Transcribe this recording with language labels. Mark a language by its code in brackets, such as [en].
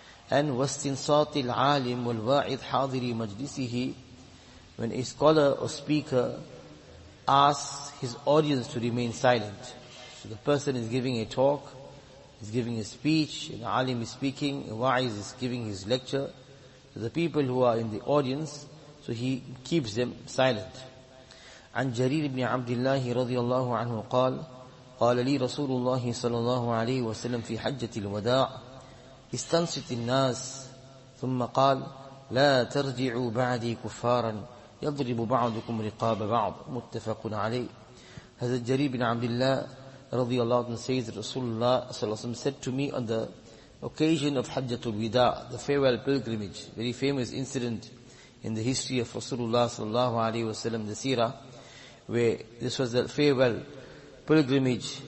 [en] And [ar] واستنصات العالم والواعظ حاضر مجلسه, [en] when a scholar or speaker asks his audience to remain silent. So the person is giving a talk, is giving a speech, an alim is speaking, a wa'iz is giving his lecture. So the people who are in the audience, so he keeps them silent. [ar] عن جرير بن عبد الله رضي الله عنه قال قال لي رسول الله صلى الله عليه وسلم في حجة الوداع استنصت الناس ثم قال لا ترجعوا بعدي كفارا يضرب بعضكم رقاب بعض. متفق عليه. [en] هذا جرير بن عبد الله رضي الله عنه says Rasulullah صلى الله عليه وسلم said to me on the occasion of حجة الوداع, the farewell pilgrimage, very famous incident in the history of Rasulullah صلى الله عليه وسلم, the seerah, where this was the farewell pilgrimage.